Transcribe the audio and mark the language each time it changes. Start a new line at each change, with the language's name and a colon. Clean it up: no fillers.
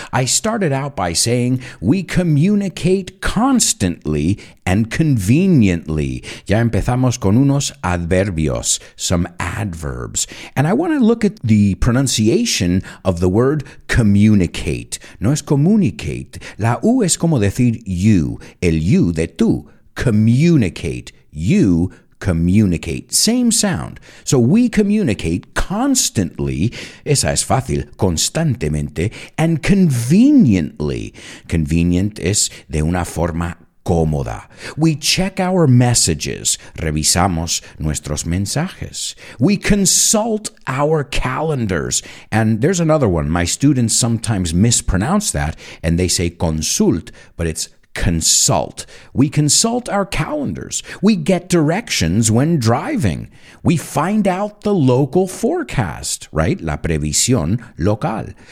English: I started out by saying we communicate constantly and conveniently.
Spanish: Ya empezamos con unos adverbios,
English: some adverbs. And I want to look at the pronunciation of the word communicate.
Spanish: No es communicate. La U es como decir you, el you de tú.
English: Communicate, you communicate. Same sound. So we communicate constantly,
Spanish: esa es fácil, constantemente,
English: and conveniently.
Spanish: Convenient es de una forma cómoda.
English: We check our messages.
Spanish: Revisamos nuestros mensajes.
English: We consult our calendars. And there's another one. My students sometimes mispronounce that and they say consult, but it's consult. We consult our calendars. We get directions when driving. We find out the local forecast, right?
Spanish: La previsión local.